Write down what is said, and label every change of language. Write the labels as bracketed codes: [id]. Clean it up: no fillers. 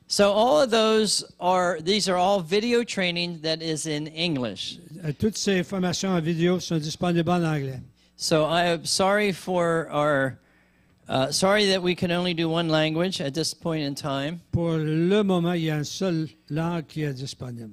[en] So all of those are, these are all video training that is in English. [fr] Toutes ces formations en vidéo sont disponibles en anglais. [en] So I am sorry for our, sorry that we can only do one language at this point in time. [fr] Pour le moment, il y a une seule langue qui est disponible.